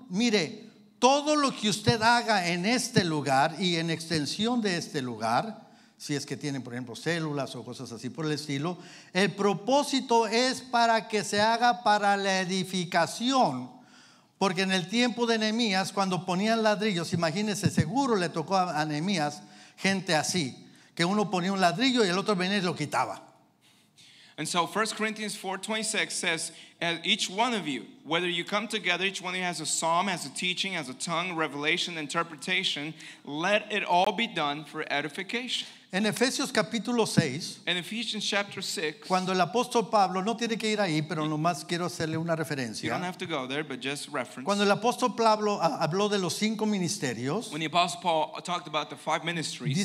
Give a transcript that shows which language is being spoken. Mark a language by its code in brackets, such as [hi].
[es] Mire, todo lo que usted haga en este lugar y en extensión de este lugar, si es que tienen, por ejemplo, células o cosas así por el estilo, el propósito es para que se haga para la edificación. Porque en el tiempo de Nehemías, cuando ponían ladrillos, imagínense, seguro le tocó a Nehemías gente así, que uno ponía un ladrillo y el otro venía y lo quitaba. [en] And so 1 Corinthians 4:26 says, as each one of you, whether you come together, each one of you has a psalm, has a teaching, has a tongue, revelation, interpretation, let it all be done for edification. [es] En Efesios capítulo 6, [en] in Ephesians chapter 6, [es] cuando el apóstol Pablo, no tiene que ir ahí, pero nomás quiero hacerle una referencia. [en] You don't have to go there, but just reference. [es] Cuando el apóstol Pablo habló de los cinco ministerios, [en] when the apostle Paul talked about the five ministries,